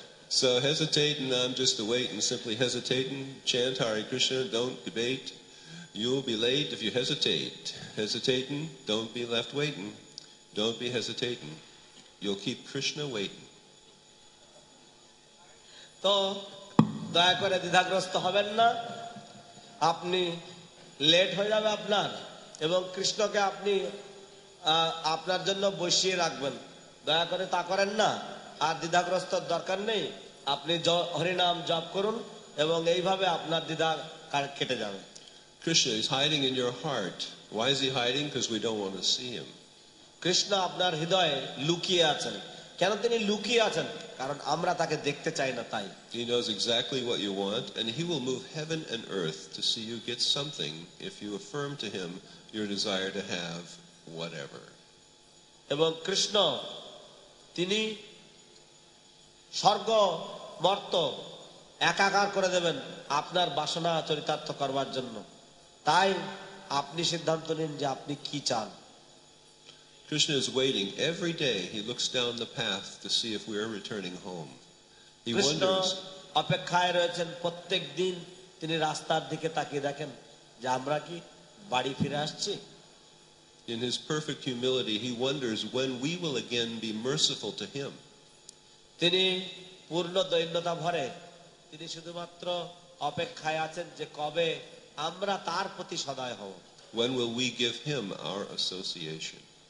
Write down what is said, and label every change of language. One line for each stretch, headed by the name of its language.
English: So hesitating, I'm just waiting, simply hesitating. Chant Hare Krishna, don't debate. You'll be late if you hesitate. Hesitating, don't be left waiting. Don't be hesitating. You'll keep Krishna waiting.
Bangla: তো দয়া করে দ্বিধাগ্রস্ত হবেন না আপনি late হয়ে যাবে আপনার এবং কৃষ্ণকে আপনি আপনার জন্য বসিয়ে রাখবেন দয়া করে তা করেন না আর দ্বিধাগ্রস্ত দরকার নেই আপনি হরিনাম জপ করুন এবং এইভাবে আপনার দ্বিধা কেটে যাবে
English: Krishna is hiding in your heart why is he hiding because we don't want to see him
Bangla: Krishna আপনার হৃদয়ে লুকিয়ে আছেন কেন তিনি লুকিয়ে আছেন কারণ আমরা তাকে দেখতে চাই না তাই
English: He knows exactly what you want and he will move heaven and earth to see you get something if you affirm to him your desire to have whatever
Bangla: এবং কৃষ্ণ তিনি স্বর্গ মর্ত একাকার করে দেবেন আপনার বাসনা চরিতার্থ করবার জন্য তাই আপনি সিদ্ধান্ত নিন যে আপনি কি চান
English: Krishna is waiting every day he looks down the path to see if we are returning home he Krishna wonders
Bangla: অপেক্ষায় রয়েছেন প্রত্যেক দিন তিনি রাস্তার দিকে তাকিয়ে দেখেন যে আমরা কি বাড়ি ফিরে আসছি
English: in his perfect humility he wonders when we will again be merciful to him
Bangla: তিনি পূর্ণ দয়নতা ভরে তিনি শুধুমাত্র অপেক্ষায় আছেন যে কবে আমরা তার প্রতি সদয় হব
English: when will we give him our association